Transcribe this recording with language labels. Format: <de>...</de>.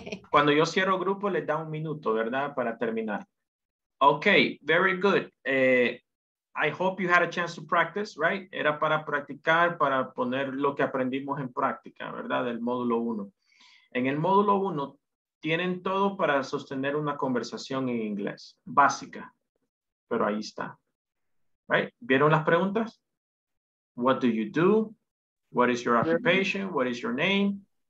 <es>cuando yo cierro grupo, les da un minuto, ¿verdad? Para terminar.</es> <en>Ok, very good. I hope you had a chance to practice, right?</en> <es>Era para practicar, para poner lo que aprendimos en práctica, ¿verdad? Del módulo 1. En el módulo 1, tienen todo para sostener una conversación en inglés. Básica. Pero ahí está.</es> <en>Right?</en> <es>¿Vieron las preguntas?</es> <en>What do you do? What is your occupation? What is your name?</en>